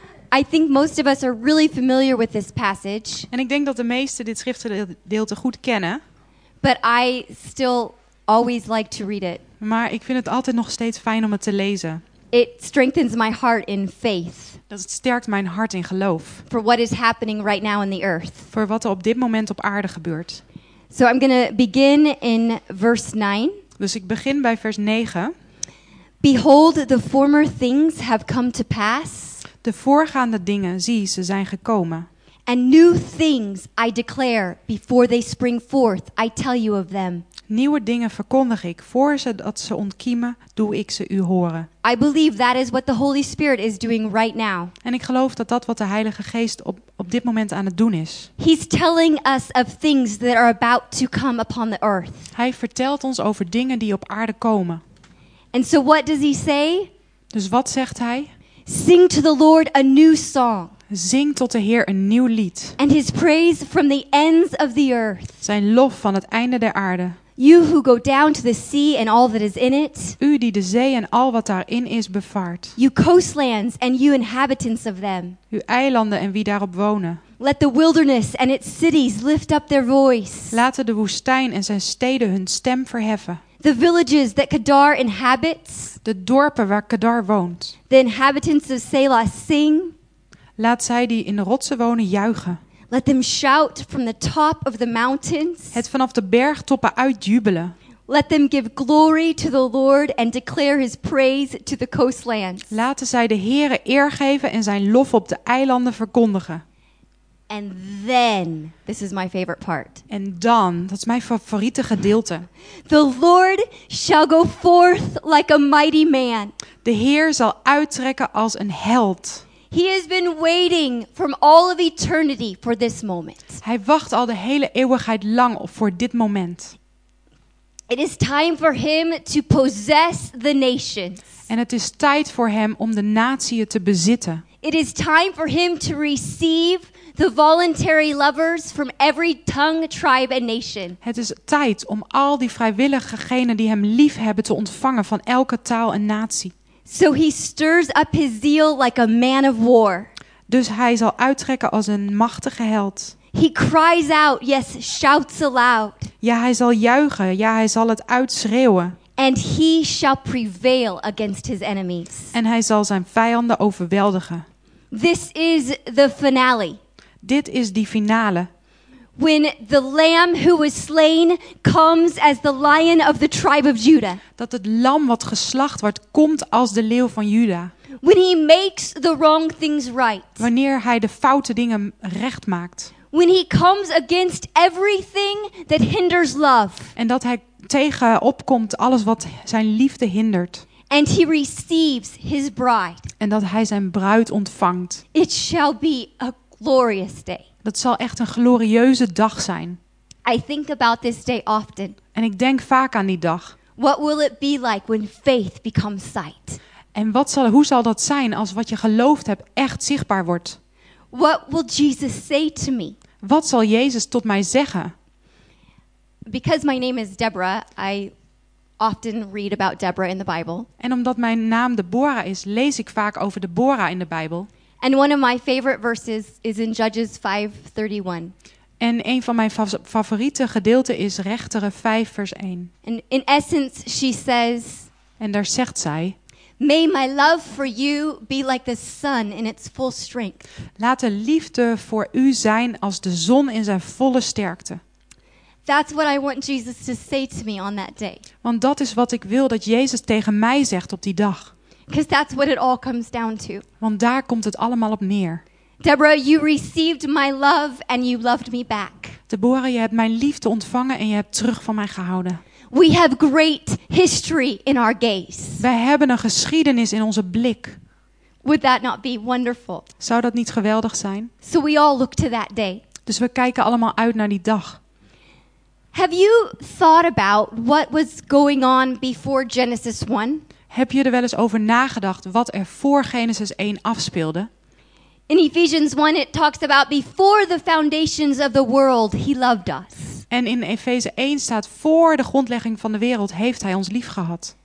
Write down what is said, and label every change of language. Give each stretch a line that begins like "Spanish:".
English: I think most of us are really familiar with this passage.
Dutch: En ik denk dat de meesten dit schriftgedeelte goed kennen.
English: But I still always like to read it.
Dutch: Maar ik vind het altijd nog steeds fijn om het te lezen.
English: It strengthens my heart in faith.
Dutch: Dat sterkt mijn hart in geloof.
English: For what is happening right now in the earth.
Dutch: Voor wat er op dit moment op aarde gebeurt.
English: So I'm going to begin in verse 9.
Dutch: Dus ik begin bij vers 9.
English: Behold, the former things have come to pass.
Dutch: De voorgaande dingen, zie, ze zijn gekomen.
English: And new things I declare before they spring forth, I tell you of them.
Dutch: Nieuwe dingen verkondig ik, voor ze dat ze ontkiemen, doe ik ze u horen.
English: I believe that is what the Holy Spirit is doing right now.
Dutch: En ik geloof dat dat wat de Heilige Geest op dit moment aan het doen is.
English: He's telling us of things that are about to come upon the earth.
Dutch: Hij vertelt ons over dingen die op aarde komen.
English: And so what does he say?
Dutch: Dus wat zegt hij?
English: Sing to the Lord a new song.
Dutch: Zing tot de Heer een nieuw lied.
English: And his praise from the ends of the earth.
Dutch: Zijn lof van het einde der aarde.
English: You who go down to the sea and all that is in it.
Dutch: U die de zee en al wat daarin is bevaart.
English: You coastlands and you inhabitants of them.
Dutch: U eilanden en wie daarop wonen.
English: Let the wilderness and its cities lift up their voice.
Dutch: Laten de woestijn en zijn steden hun stem verheffen.
English: The villages that Kedar inhabits.
Dutch: De dorpen waar Kedar woont.
English: The inhabitants of Selah sing.
Dutch: Laat zij die in de rotsen wonen juichen.
English: Let them shout from the top of the mountains.
Dutch: Het vanaf de bergtoppen uitjubelen.
English: Let them give glory to the Lord and declare his praise to the coastlands.
Dutch: Laten zij de Heere eer geven en zijn lof op de eilanden verkondigen.
English: And then, this is my favorite part.
Dutch: En dan, dat is mijn favoriete gedeelte.
English: The Lord shall go forth like a mighty man.
Dutch: De Heer zal uittrekken als een held.
English: He has been waiting from all of eternity for this moment.
Dutch: Hij wacht al de hele eeuwigheid lang voor dit moment.
English: It is time for him to possess the nations.
Dutch: En het is tijd voor hem om de natieën te bezitten.
English: It is time for him to receive the voluntary lovers from every tongue, tribe and nation.
Dutch: Het is tijd om al die vrijwilligegenen die hem lief hebben te ontvangen van elke taal en natie.
English: So he stirs up his zeal like a man of war.
Dutch: Dus hij zal uittrekken als een machtige held.
English: He cries out, yes, shouts aloud.
Dutch: Ja, hij zal juichen, ja, hij zal het uitschreeuwen.
English: And he shall prevail against his enemies.
Dutch: En hij zal zijn vijanden overweldigen.
English: This is the finale.
Dutch: Dit is die finale.
English: When the lamb who was slain comes as the lion of the tribe of Judah.
Dutch: Dat het lam wat geslacht wordt komt als de leeuw van Juda.
English: When he makes the wrong things right.
Dutch: Wanneer hij de foute dingen recht maakt.
English: When he comes against everything that hinders love.
Dutch: En dat hij tegen opkomt alles wat zijn liefde hindert.
English: And he receives his bride.
Dutch: En dat hij zijn bruid ontvangt.
English: It shall be a glorious day.
Dutch: Dat zal echt een glorieuze dag zijn.
English: I think about this day often.
Dutch: En ik denk vaak aan die dag.
English: What will it be like when faith becomes sight?
Dutch: En hoe zal dat zijn als wat je geloofd hebt echt zichtbaar wordt?
English: What will Jesus say to me?
Dutch: Wat zal Jezus tot mij zeggen?
English: Because my name is Deborah, I often read about Deborah in the Bible.
Dutch: En omdat mijn naam Deborah is, lees ik vaak over Deborah in de Bijbel.
English: And one of my favorite verses is in Judges 5:31.
Dutch: En een van mijn favoriete gedeelten is Rechteren 5 vers 1.
English: And in essence she says,
Dutch: en daar zegt zij:
English: May my love for you be like the sun in its full strength.
Dutch: Laat de liefde voor u zijn als de zon in zijn volle sterkte.
English: That's what I want Jesus to say to me on that day.
Dutch: Want dat is wat ik wil dat Jezus tegen mij zegt op die dag.
English: Because that's what it all comes down to.
Dutch: Want daar komt het allemaal op neer.
English: Deborah, you received my love and you loved me back.
Dutch: Deborah, je hebt mijn liefde ontvangen en je hebt terug van mij gehouden.
English: We have great history in our gaze.
Dutch: Wij hebben een geschiedenis in onze blik.
English: Would that not be wonderful?
Dutch: Zou dat niet geweldig zijn?
English: So we all look to that day.
Dutch: Dus we kijken allemaal uit naar die dag.
English: Have you thought about what was going on before Genesis 1?
Dutch: Heb je er wel eens over nagedacht wat er voor Genesis 1 afspeelde?
English: In Ephesians 1 it talks about before the foundations of the world he loved us.
Dutch: En in Efeze 1 staat voor de grondlegging van de wereld heeft hij ons lief gehad.